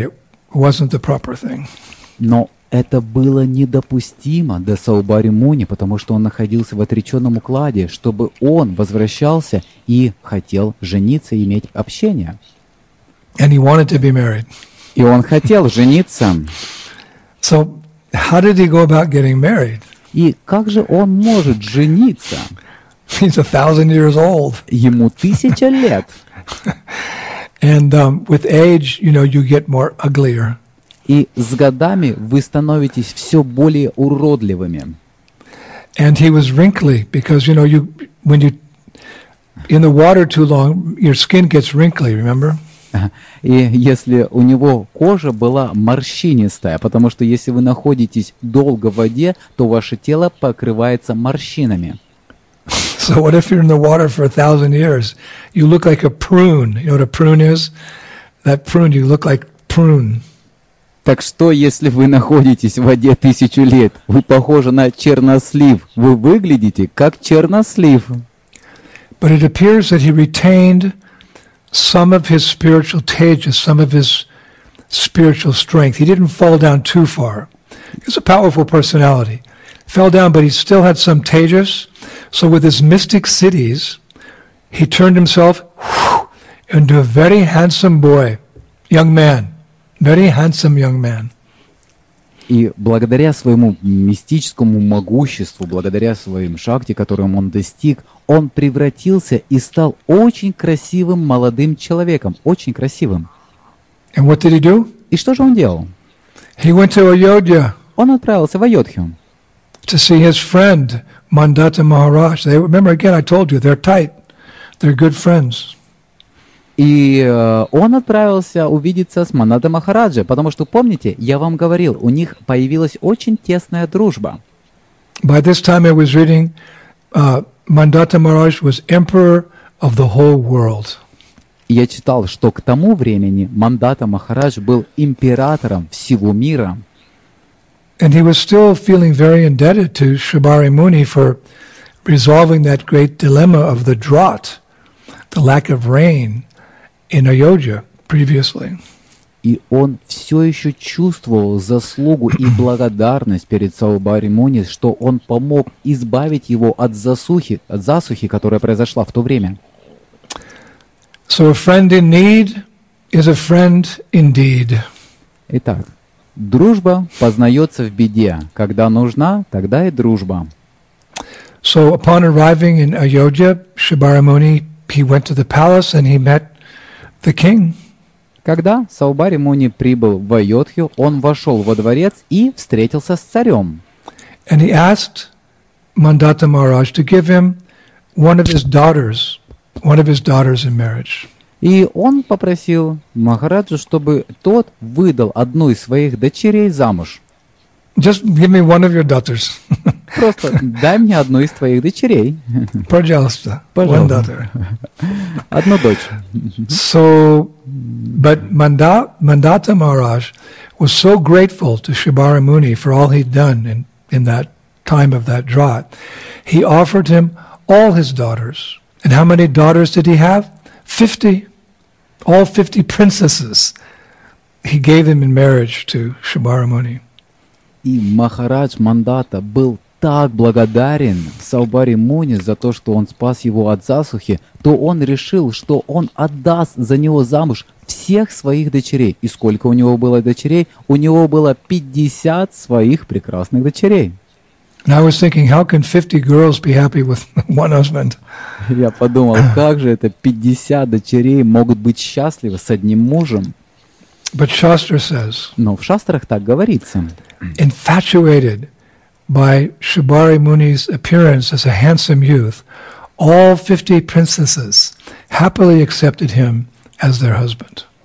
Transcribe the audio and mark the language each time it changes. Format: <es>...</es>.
<en>It wasn't the proper thing.</en> <ru>Но это было недопустимо для Саубари Муни, потому что он находился в отреченном укладе, чтобы он возвращался и хотел жениться и иметь общение.</ru> <en>And he wanted to be married.</en> <ru>И он хотел жениться.</ru> <en>So how did he go about getting married?</en> <ru>И как же он может жениться?</ru> <en>He's 1,000 years old.</en> <ru>Ему 1,000 лет.</ru> <en>And with age, you know, you get more uglier.</en> <ru>И с годами вы становитесь все более уродливыми.</ru> <en>And he was wrinkly because, you know, you when you in the water too long, your skin gets wrinkly, remember?</en> <ru>И если у него кожа была морщинистая, потому что если вы находитесь долго в воде, то ваше тело покрывается морщинами.</ru> <en>So what if you're in the water for 1,000 years? You look like a prune. You know what a prune is? That prune, you look like prune.</en> <ru>Так что, если вы находитесь в воде 1,000 лет, вы похожи на чернослив. Вы выглядите как чернослив.</ru> <en>But it appears that he retained some of his spiritual tejas, some of his spiritual strength. He didn't fall down too far. It's a powerful personality. Fell down, but he still had some tejas. So with his mystic cities, he turned himself into a very handsome boy, young man, very handsome young man.</en> <ru>И благодаря своему мистическому могуществу, благодаря своим шакти, которым он достиг, он превратился и стал очень красивым молодым человеком, очень красивым.</ru> <en>And what did he do?</en> <ru>И что же он делал?</ru> <en>He went to Ayodhya.</en> <ru>Он отправился в Айодхью.</ru> <en>To see his friend Mandata Maharaj. They remember again. I told you they're tight. They're good friends.</en> <ru>И он отправился увидеться с Манада Махараджи, потому что, помните, я вам говорил, у них появилась очень тесная дружба.</ru> <en>By this time I was reading, Mandata Maharaj was emperor of the whole world.</en> <ru>Я читал, что к тому времени Мандата Махарадж был императором всего мира.</ru> <en>And he was still feeling very indebted to Shibari Muni for resolving that great dilemma of the drought, the lack of rain in Ayodhya previously.</en> <ru>И он все еще чувствовал заслугу и благодарность перед Шибари Муни, что он помог избавить его от засухи, которая произошла в то время.</ru> <en>So a friend in need is a friend indeed.</en> <ru>Итак, дружба познается в беде. Когда нужна, тогда и дружба.</ru> <en>So upon arriving in Ayodhya, Shibari Muni, he went to the palace and he met the king.</en> <ru>Когда Шибари Муни прибыл в Айодхью, он вошел во дворец и встретился с царем.</ru> <en>And he asked Mandata Maharaj to give him one of his daughters in marriage.</en> <ru>И он попросил Махараджу, чтобы тот выдал одну из своих дочерей замуж.</ru> <en>Just give me one of your daughters.</en> <ru>Просто дай мне одну из твоих дочерей. Пожалуйста.</ru> <en>One daughter.</en> <ru>Одну дочь.</ru> <en>So, but Mandata Maharaj was so grateful to Shibari Muni for all he'd done in that time of that drought. He offered him all his daughters. And how many daughters did he have? 50. All 50 princesses he gave him in marriage to Shibari Muni.</en> <ru>И Махарадж Мандата был так благодарен Шибари Муни за то, что он спас его от засухи, то он решил, что он отдаст за него замуж всех своих дочерей. И сколько у него было дочерей? У него было 50 своих прекрасных дочерей.</ru> <en>And I was thinking, how can 50 girls be happy with one husband?</en> <ru>Я подумал, как же это 50 дочерей могут быть счастливы с одним мужем?</ru> <en>But Shastra says.</en> <ru>Но в шастрах так говорится.</ru> <en>Infatuated by Shibari Muni's appearance as a handsome youth, all 50 princesses happily accepted him as their husband.</en>